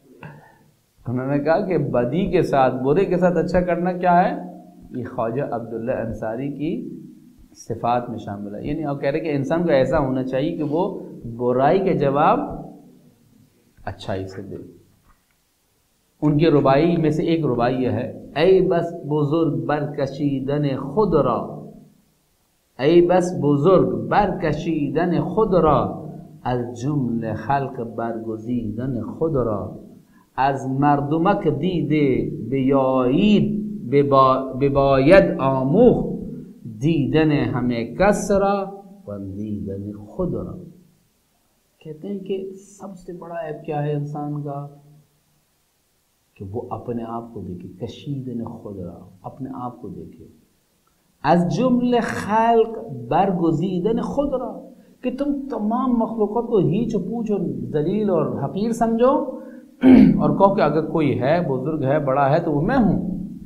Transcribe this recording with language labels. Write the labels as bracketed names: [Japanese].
[Urdu] انہوں نے کہا کہ بدی کے ساتھ برے کے ساتھ اچھا کرنا کیا ہے, یہ خواجہ عبداللہ انصاری کی صفات میں شامل ہے. یعنی وہ کہہ رہے کہ انسان کو ایسا ہونا چاہیے کہ وہ برائی کے جواب اچھائی سے دے. ان کی ربائی میں سے ایک ربائی یہ ہے, [Persian] اے بس بزرگ برکشیدن خود را, ای بس بزرگ برکشیدن خود را, از جمله خلق برگزیدن خود را, از مردمک دیده بیایید بباید آموخ, دیدن همه کس را و دیدن خود را. [Urdu] کہتے ہیں کہ سب سے بڑا عیب کیا ہے انسان کا, کہ وہ اپنے آپ کو دیکھے, [Persian] کشیدن خود را [Urdu] اپنے آپ کو دیکھے, [Persian] از جملہ خلق برگزیدن خود را, [Urdu] کہ تم تمام مخلوقات کو ہیچ پوچھ اور ذلیل اور حقیر سمجھو اور کہو کہ اگر کوئی ہے بزرگ ہے بڑا ہے تو وہ میں ہوں.